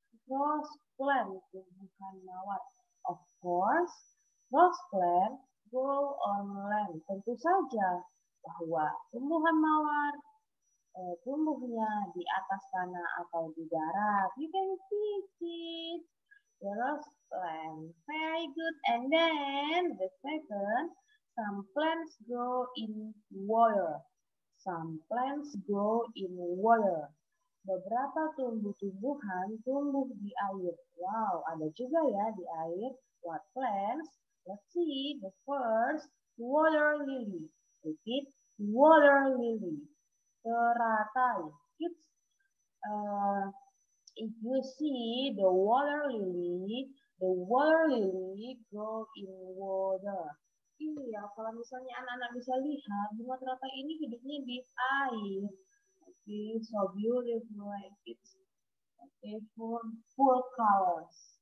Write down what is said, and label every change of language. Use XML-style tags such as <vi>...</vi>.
<en>Rose plant.</en> <id>Tumbuhan mawar.</id> <en>Of course, rose plant grow on land.</en> <id>Tentu saja bahwa tumbuhan mawar tumbuhnya di atas tanah atau di darat.</id> <en>You can see it. The rose plant. Very good. And then, the second, some plants grow in water. Some plants grow in water.</en> <id>Beberapa tumbuh-tumbuhan tumbuh di air. Wow, ada juga ya di air.</id> <en>What plants? Let's see. The first, water lily. Repeat, water lily.</en> <id>Teratai.</id> <en>Kids, if you see the water lily grow in water.</en> <id>Iya, kalau misalnya anak-anak bisa lihat, bunga teratai ini hidupnya di air.</id> <en>Okay, so beautiful, like it's okay, full colors.</en>